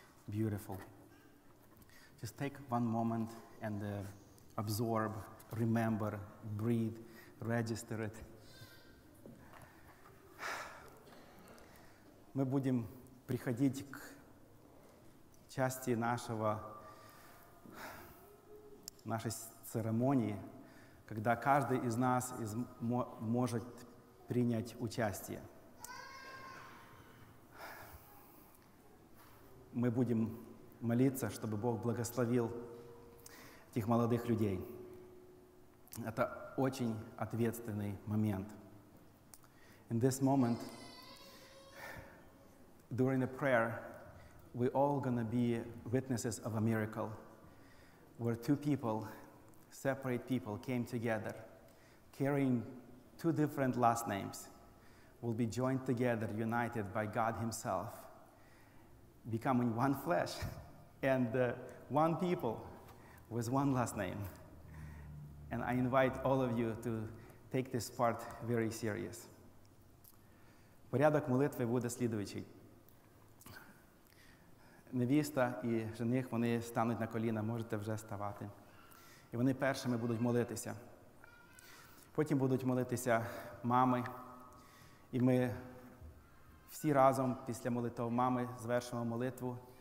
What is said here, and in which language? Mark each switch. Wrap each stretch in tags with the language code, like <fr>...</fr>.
<en>Beautiful. Just take one moment and absorb, remember, breathe, register it.</en> <ru>Мы будем приходить к части нашей церемонии, когда каждый из нас может принять участие. Мы будем молиться, чтобы Бог благословил этих молодых людей. Это очень ответственный момент.</ru> <en>In this moment, during the prayer, we all gonna be witnesses of a miracle, where two people, separate people, came together, carrying two different last names, will be joined together, united by God Himself, becoming one flesh, and one people with one last name. And I invite all of you to take this part very serious.</en> <uk>Порядок молитви буде слідуючий. Невіста і жених, вони стануть на коліна, можете вже ставати. І вони першими будуть молитися. Потім будуть молитися мами. І ми всі разом після молитви мами звершимо молитву.</uk>